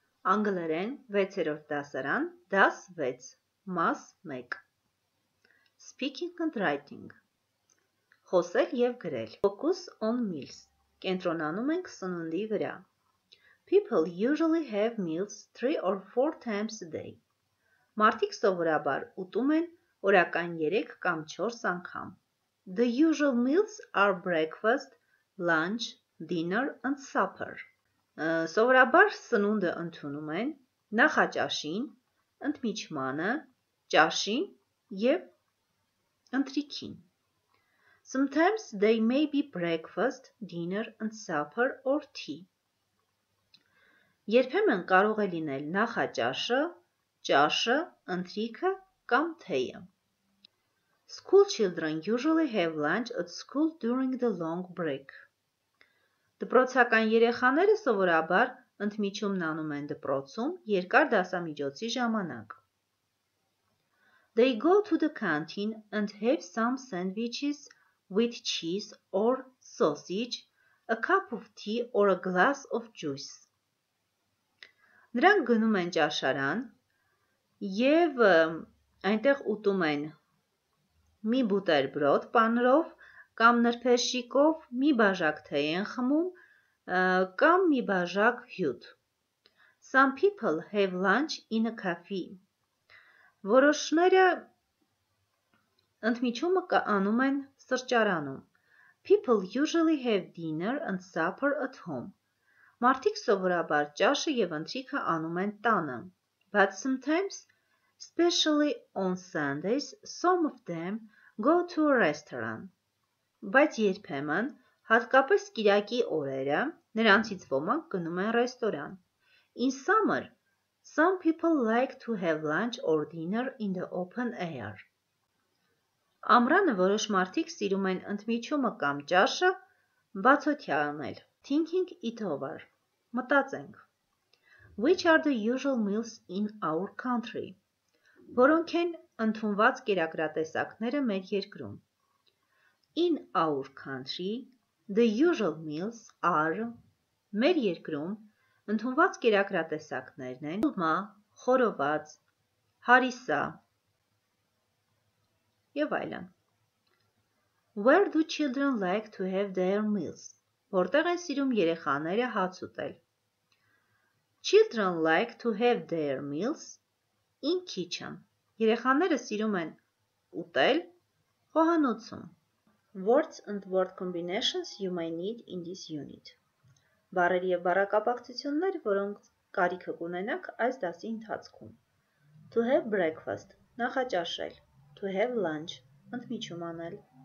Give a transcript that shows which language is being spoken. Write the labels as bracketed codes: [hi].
[hy] Անգլերեն 6-րդ դասարան, դաս 6, մաս 1. [en] Speaking and writing. [hy] Խոսել եւ գրել. [en] Focus on meals. [hy] Կենտրոնանում ենք սնունդի վրա. [en] People usually have meals 3 or 4 times a day. [hy] Մարդիկ սովորաբար ուտում են օրական 3 կամ 4 անգամ. [en] The usual meals are breakfast, lunch, dinner and supper. [hy] Սովորաբար սնունդը ընդունում են նախաճաշին, ընդմիջմանը, ճաշին եւ ընթրիքին. [en] Sometimes they may be breakfast, dinner and supper or tea. [hy] Երբեմն կարող է լինել նախաճաշը, ճաշը, ընթրիքը կամ թեյը. [en] School children usually have lunch at school during the long break. [hy] Դպրոցական երեխաները սովորաբար ընդմիջումն անում են դպրոցում երկար դասամիջոցի ժամանակ. [en] They go to the canteen and have some sandwiches with cheese or sausage, a cup of tea or a glass of juice. [hy] Նրանք գնում են ճաշարան եւ այնտեղ ուտում են մի բուտեր բրոդ պանրով կամ նրբերշիկով, մի բաժակ թեյ են խմում կամ մի բաժակ հյութ. [en] Some people have lunch in a cafe. [hy] Որոշները ընդմիջումը կանում են սրճարանում. [en] People usually have dinner and supper at home. [hy] Մարդիկ սովորաբար ճաշը եւ ընթրիքը անում են տանը. [en] But sometimes, especially on Sundays, some of them go to a restaurant. [hy] Բայց երբեմն, հատկապես կիրակի օրերը, նրանցից ոմանք գնում են ռեստորան. [en] In summer, some people like to have lunch or dinner in the open air. [hy] Ամռանը որոշ մարդիկ սիրում են ընդմիջումը կամ ճաշը բացօթյա անել. [en] Thinking it over. [hy] Մտածենք. [en] Which are the usual meals in our country? [hy] Որոնք են ընդունված կերակրատեսակները մեր երկրում? [en] In our country, the usual meals are [hy] մեր երկրում ընդունված կերակրատեսակներն են ուլմա, խորոված, հարիսա եւ այլն։ [en] Where do children like to have their meals? [hy] Որտեղ են սիրում երեխաները հաց ուտել? [en] Children like to have their meals in kitchen. [hy] Երեխաները սիրում են ուտել խոհանոցում։ [en] Words and word combinations you may need in this unit. [hy] Բառերի եւ բառակապակցություններ, որոնք կարիք կունենաք այս դասի ընթացքում. [en] To have breakfast – [hy] նախաճաշել. [en] To have lunch – [hy] ընդմիջում անել.